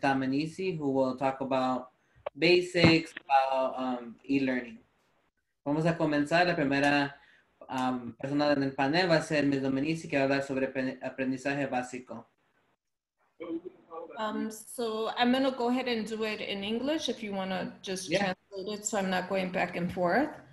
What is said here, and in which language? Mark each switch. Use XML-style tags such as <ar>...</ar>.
<en>Dominici, who will talk about basics, about e-learning.</en> <es>Vamos a comenzar. La primera persona en el panel va a ser Ms. Dominici, que va a hablar sobre aprendizaje básico.</es> <en>So I'm going to go ahead and do it in English if you want to just translate it, so I'm not going back and forth.</en>